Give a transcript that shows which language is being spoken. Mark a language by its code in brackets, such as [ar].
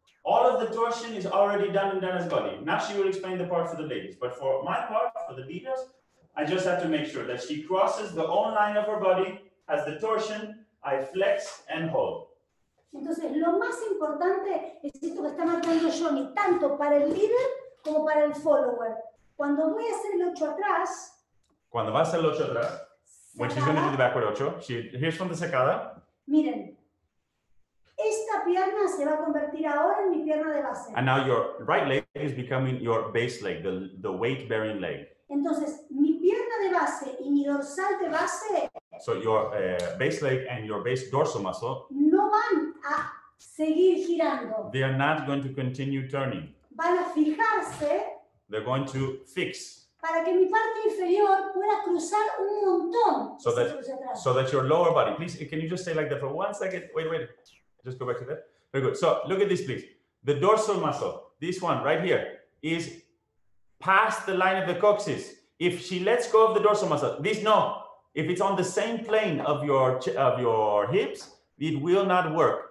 [en] All of the torsion is already done in Dana's body. Now she will explain the part for the ladies. But for my part, for the leaders, I just have to make sure that she crosses the own line of her body, has the torsion, I flex and hold. [es] Entonces, lo más importante es esto que está marcando Johnny, tanto para el líder como para el follower. Cuando voy a hacer el ocho atrás. Cuando va a hacer el ocho atrás. Secada, [en] when she's going to do the backward ocho. Here's from the secada. [es] Miren. Esta pierna se va a convertir ahora en mi pierna de base. [en] And now your right leg is becoming your base leg, the weight-bearing leg. [es] Entonces, mi pierna de base y mi dorsal de base. [en] So your base leg and your base dorsal muscle. [es] No van a seguir girando. [en] They are not going to continue turning. [es] Van a fijarse. [en] They're going to fix. [es] Para que mi parte inferior pueda cruzar un montón. [en] So that your lower body, please, can you just stay like that for 1 second? Wait. Just go back to that. Very good. So look at this, please. The dorsal muscle, this one right here, is past the line of the coccyx. If she lets go of the dorsal muscle, this no. If it's on the same plane of your hips, it will not work.